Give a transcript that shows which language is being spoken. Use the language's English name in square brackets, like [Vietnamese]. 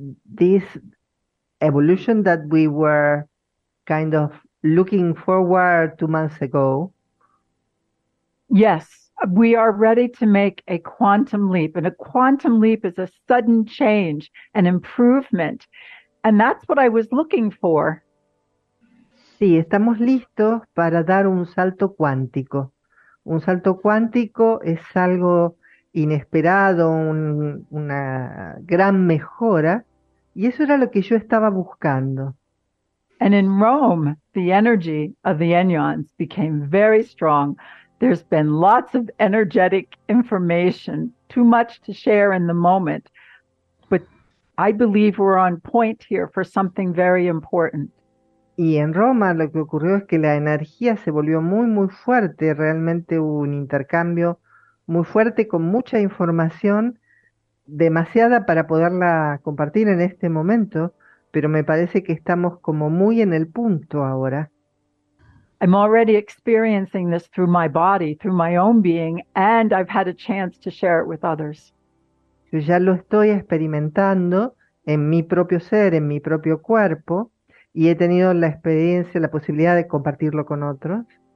[English] This evolution that we were kind of looking forward 2 months ago. Yes. We are ready to make a quantum leap, and a quantum leap is a sudden change, an improvement, and that's what I was looking for. [Spanish] Sí, estamos listos para dar un salto cuántico. Un salto cuántico es algo inesperado, una gran mejora, y eso era lo que yo estaba buscando. [English] And in Rome, the energy of the anions became very strong. There's been lots of energetic information, too much to share in the moment, but I believe we're on point here for something very important. [Spanish] Y en Roma lo que ocurrió es que la energía se volvió muy, muy fuerte, realmente hubo un intercambio muy fuerte con mucha información, demasiada para poderla compartir en este momento, pero me parece que estamos como muy en el punto ahora. [English] I'm already experiencing this through my body, through my own being, and I've had a chance to share it with others. [Spanish] Yo ya lo estoy experimentando en mi propio ser, en mi propio cuerpo, y he tenido la experiencia, la posibilidad de compartirlo con otros.